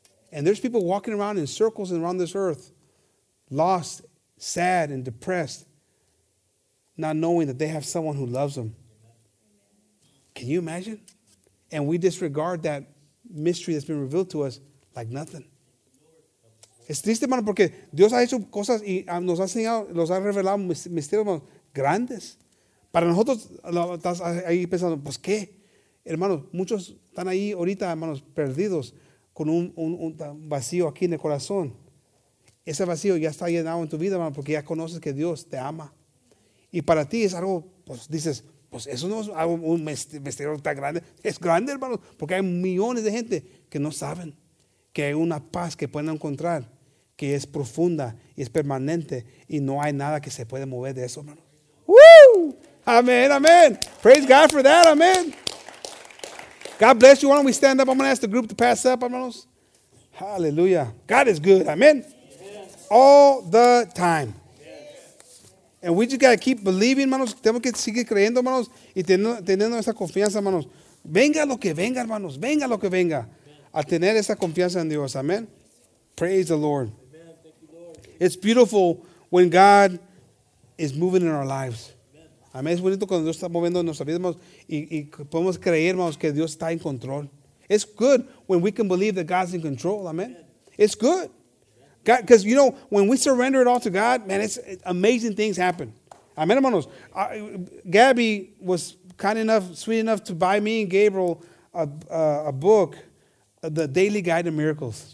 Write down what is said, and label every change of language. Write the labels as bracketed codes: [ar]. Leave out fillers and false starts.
[en] And there's people walking around in circles around this earth, lost, sad, and depressed, not knowing that they have someone who loves them. Can you imagine? And we disregard that mystery that's been revealed to us like nothing. [es] Es triste, hermano, porque Dios ha hecho cosas y nos ha enseñado, nos ha revelado misterios grandes. Para nosotros, estás ahí pensando, pues qué. Hermanos, muchos están ahí ahorita, hermanos, perdidos, con un vacío aquí en el corazón. Ese vacío ya está llenado en tu vida, hermano, porque ya conoces que Dios te ama. Y para ti es algo, pues dices, pues eso no es algo, un misterio tan grande. Es grande, hermano, porque hay millones de gente que no saben que hay una paz que pueden encontrar, que es profunda y es permanente, y no hay nada que se puede mover de eso, hermano. [en] ¡Woo! Amén, amén. Praise God for that, amén. God bless you. Why don't we stand up? I'm going to ask the group to pass up, hermanos. Hallelujah. God is good. Amen. Yes. All the time. Yes. And we just got to keep believing, hermanos. [es] Tenemos que seguir creyendo, hermanos. Y teniendo esa confianza, hermanos. Venga lo que venga, hermanos. Venga lo que venga. A tener esa confianza en Dios. Amen. [en] Praise the Lord. [es] Amen. [en] Thank you, Lord. It's beautiful when God is moving in our lives. [es] Amén. Es bonito cuando Dios está moviendo en nuestras vidas y podemos creer, hermanos, que Dios está en control. [en] It's good when we can believe that God's in control. Amen. It's good. Because, you know, when we surrender it all to God, man, it's amazing things happen. Amén, hermanos. Gabby was kind enough, sweet enough to buy me and Gabriel a book, The Daily Guide to Miracles.